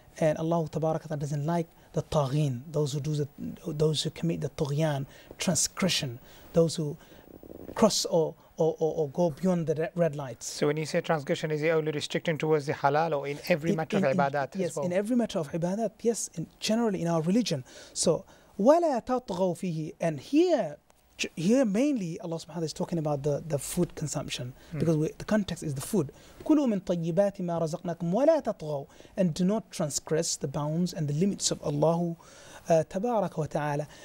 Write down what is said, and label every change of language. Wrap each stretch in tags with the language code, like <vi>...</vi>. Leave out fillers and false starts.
<en>And Allah Tabaraka doesn't like the طاغين, those who commit the طغيان, transgression, those who cross or go beyond the red lights. So when you say transgression, is it only restricting towards the halal or in every matter of ibadat yes, as well? Yes, in every matter of ibadat, yes, generally in our religion.</en> <ar>So, وَلَا تَطْغَوْ فِيهِ.</ar> <en>And here mainly Allah subhanahu wa ta'ala is talking about the food consumption because the context is the food.</en> <ar>كُلُوا مِن طَيِّبَاتِ مَا رَزَقْنَاكُمْ وَلَا تَطْغَوْ.</ar> <en>And do not transgress the bounds and the limits of Allah</en> <ar>تبارك وتعالى.</ar>